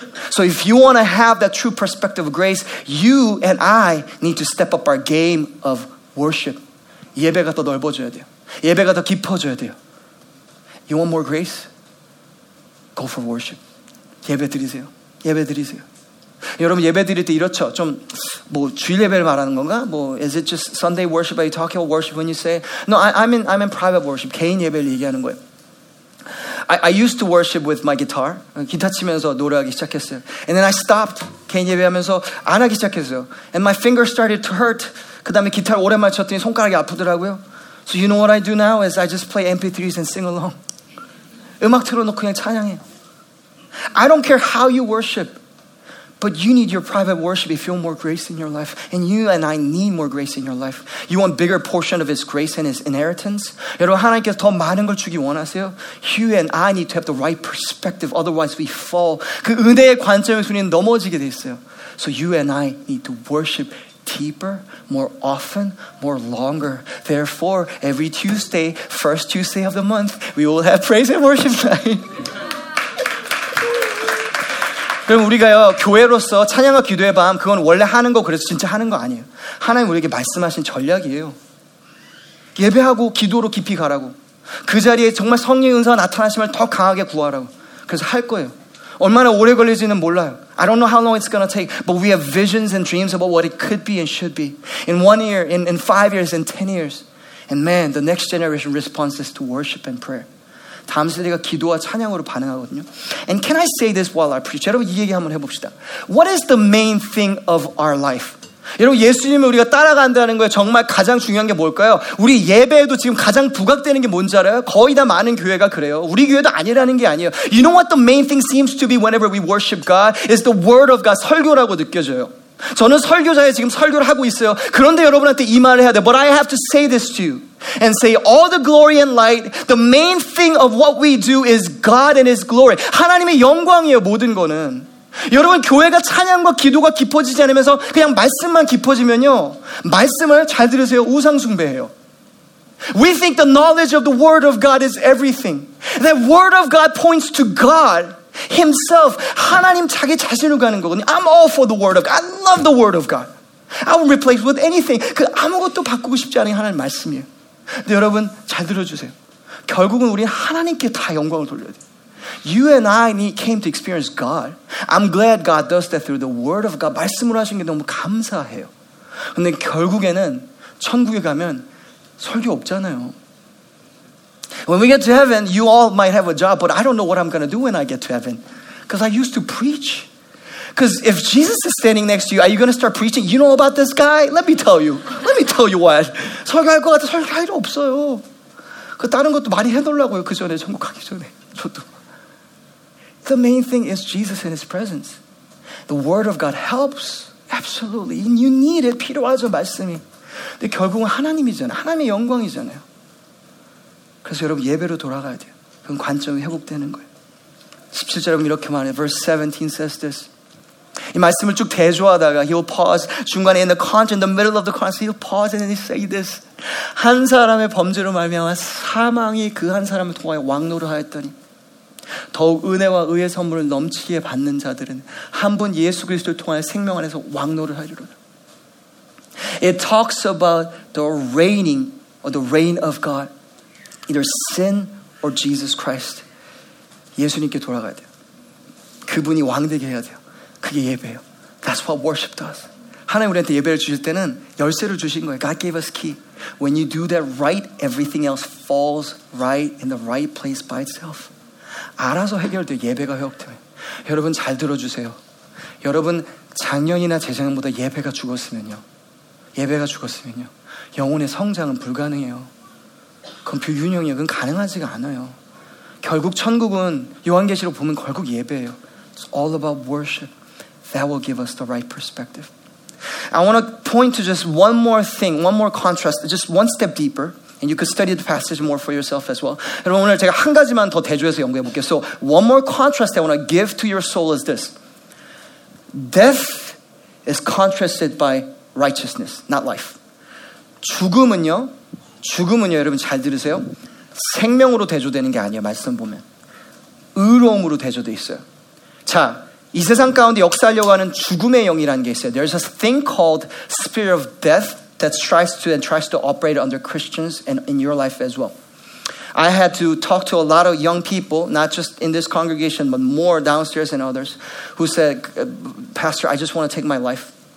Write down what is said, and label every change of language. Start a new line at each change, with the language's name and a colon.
English: So if you want to have that true perspective of grace, you and I need to step up our game of worship.
Korean: 예배가 더 넓어져야 돼요. 예배가 더 깊어져야 돼요.
English: You want more grace? Go for worship.
Korean: 예배 드리세요. 예배 드리세요. 여러분 예배 드릴 때 이렇죠. 좀 뭐 주일 예배를 말하는 건가?
English: 뭐 is it just Sunday worship? Are you talking about worship when you say? No, I'm in private worship.
Korean: 개인 예배를 얘기하는 거예요.
English: I used to worship with my guitar.
Korean: 기타 치면서 노래하기 시작했어요.
English: And then I stopped.
Korean: 개인 예배하면서 안 하기 시작했어요.
English: And my finger started to hurt.
Korean: 그 다음에 기타를 오랜만에 쳤더니 손가락이 아프더라고요.
English: So you know what I do now is I just play MP3s and sing along.
Korean: 음악 틀어놓고 그냥 찬양해요.
English: I don't care how you worship. But you need your private worship if you want more grace in your life. And you and I need more grace in your life. You want bigger portion of his grace and his inheritance.
Korean: 여러분 하나님께서 더 많은 걸 주기 원하세요?
English: You and I need to have the right perspective. Otherwise we fall.
Korean: 그 은혜의 관점에서 우리는 넘어지게 돼 있어요.
English: So you and I need to worship deeper, more often, more longer. Therefore, every Tuesday, first Tuesday of the month, we will have praise and worship time.
Korean: 그럼 우리가요 교회로서 찬양과 기도의 밤 그건 원래 하는 거 그래서 진짜 하는 거 아니에요. 하나님 우리에게 말씀하신 전략이에요. 예배하고 기도로 깊이 가라고. 그 자리에 정말 성령 은사가 나타나심을 더 강하게 구하라고. 그래서 할 거예요. 얼마나 오래 걸릴지는 몰라요.
English: I don't know how long it's gonna take, but we have visions and dreams about what it could be and should be. In one year, in five years, in 10 years. And man, the next generation responds to worship and prayer.
Korean: 다음 세대가 기도와 찬양으로 반응하거든요.
English: And can I say this while I preach?
Korean: 여러분 이 얘기 한번 해봅시다.
English: What is the main thing of our life?
Korean: 여러분 예수님을 우리가 따라간다는 거에 정말 가장 중요한 게 뭘까요? 우리 예배에도 지금 가장 부각되는 게 뭔지 알아요? 거의 다 많은 교회가 그래요. 우리 교회도 아니라는 게 아니에요.
English: You know what the main thing seems to be whenever we worship God? It's the word of God,
Korean: 설교라고 느껴져요. 저는 설교자에 지금 설교를 하고 있어요. 그런데 여러분한테 이 말을 해야 돼.
English: But I have to say this to you. And say all the glory and light, the main thing of what we do is God and His glory.
Korean: 하나님의 영광이에요, 모든 거는. 여러분 교회가 찬양과 기도가 깊어지지 않으면서 그냥 말씀만 깊어지면요 말씀을 잘 들으세요 우상 숭배해요.
English: We think the knowledge of the word of God is everything. That word of God points to God Himself.
Korean: 하나님 자기 자신을 가는 거거든요.
English: I'm all for the word of God. I love the word of God. I would replace with anything.
Korean: 그 아무것도 바꾸고 싶지 않은 하나님 말씀이에요. 근데 여러분 잘 들어주세요. 결국은 우리는 하나님께 다 영광을 돌려야 돼요.
English: You and I need, came to experience God. I'm glad God does that through the word of God.
Korean: 말씀을 하신 게 너무 감사해요. 근데 결국에는 천국에 가면 설교 없잖아요.
English: When we get to heaven, you all might have a job, but I don't know what I'm going to do when I get to heaven. Because I used to preach. Because if Jesus is standing next to you, are you going to start preaching? You know about this guy? Let me tell you. Let me tell you what.
Korean: 설교할 것 같아. 설교할 일 없어요. 그 다른 것도 많이 해놓으려고요. 그 전에, 천국 가기 전에. 저도.
English: The main thing is Jesus and His presence. The Word of God helps. Absolutely. And you need it.
Korean: 필요하죠, 말씀이. 근데 결국은 하나님이잖아요. 하나님의 영광이잖아요. 그래서 여러분 예배로 돌아가야 돼요. 그럼 관점이 회복되는 거예요. 17절은 이렇게 말해요.
English: Verse 17 says this.
Korean: 이 말씀을 쭉 대조하다가
English: He'll pause
Korean: 중간에
English: in the conscience, in the middle of the conscience. He'll pause and then He'll say this.
Korean: 한 사람의 범죄로 말미암아 사망이 그 한 사람을 통하여 왕노를 하였더니 더욱 은혜와 의의 선물을 넘치게 받는 자들은 한 분 예수 그리스도를 통하여 생명 안에서 왕노를 하리로다. It talks about the reigning or the reign of God, either sin or Jesus Christ. 예수님께 돌아가야 돼요. 그분이 왕되게 해야 돼요. 그게 예배예요.
English: That's what worship does.
Korean: 하나님 우리한테 예배를 주실 때는 열쇠를 주신 거예요.
English: God gave us key. When you do that right, everything else falls right in the right place by itself.
Korean: 알아서 해결돼요. 예배가 회복되면. 여러분 잘 들어주세요. 여러분 작년이나 재작년보다 예배가 죽었으면요. 예배가 죽었으면요. 영혼의 성장은 불가능해요. 그건 불균형이에요. 그건 가능하지가 않아요. 결국 천국은 요한계시록 보면 결국 예배예요.
English: It's all about worship. That will give us the right perspective. I want to point to just one more thing, one more contrast, just one step deeper. And you could study the passage more for yourself as well.
Korean: 여러분 오늘 제가 한 가지만 더 대조해서 연구해 볼게요.
English: So one more contrast I want to give to your soul is this. Death is contrasted by righteousness, not life.
Korean: 죽음은요, 죽음은요 여러분 잘 들으세요. 생명으로 대조되는 게 아니에요, 말씀 보면. 의로움으로 대조돼 있어요. 자, 이 세상 가운데 역사하려고 하는 죽음의 영이라는 게 있어요.
English: There's a thing called spirit of death. That tries to operate under Christians and in your life as well. I had to talk to a lot of young people, not just in this congregation, but more downstairs and others, who said, Pastor, I just want to take my life.